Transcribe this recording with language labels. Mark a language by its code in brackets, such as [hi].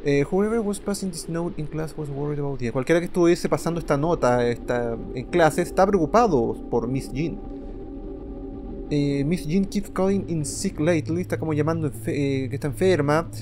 [en] Whoever was passing this note in class was worried about you. [es] Cualquiera que estuviese pasando esta nota en clase está preocupado por Miss Jin. [en] Miss Jin keeps calling in sick lately. [es] Está como llamando que está enferma.